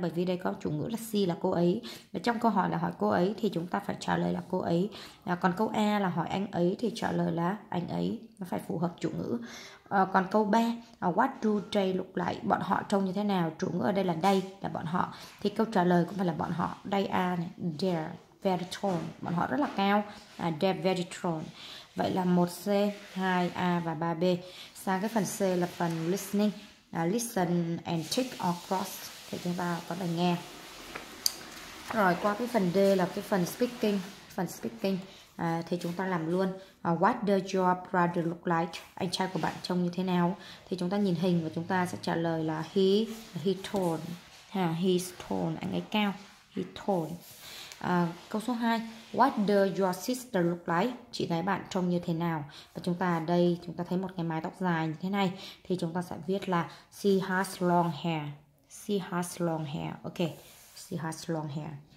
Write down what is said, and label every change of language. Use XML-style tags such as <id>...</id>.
<vi>Bởi vì đây có chủ ngữ là she là cô ấy. Và trong câu hỏi là hỏi cô ấy thì chúng ta phải trả lời là cô ấy. Còn câu A là hỏi anh ấy thì trả lời là anh ấy. Nó phải phù hợp chủ ngữ. Còn câu B,</vi> <en>what do they look like?</en> <vi>Bọn họ trông như thế nào? Chủ ngữ ở đây là they, là bọn họ. Thì câu trả lời cũng phải là bọn họ.</vi> <en>They are</en> <vi>này,</vi> <en>they're very tall.</en> <vi>Bọn họ rất là cao.</vi> <en>They're very tall.</en> <vi>Vậy là 1C, 2A và 3B. Sang cái phần C là phần listening.</vi> <en>Listen and tick or cross.</en> <vi>Thì chúng ta có thể nghe. Rồi qua cái phần D là cái phần speaking. Thì chúng ta làm luôn.</vi> <en>What does your brother look like?</en> <vi>Anh trai của bạn trông như thế nào? Thì chúng ta nhìn hình và chúng ta sẽ trả lời là</vi> <en>He's tall.</en> <vi>Anh ấy cao. He's tall. Câu số 2,</vi> <en>what does your sister look like?</en> <vi>Chị gái bạn trông như thế nào? Và chúng ta ở đây, chúng ta thấy một cái mái tóc dài như thế này, thì chúng ta sẽ viết là</vi> <en>she has long hair.</en>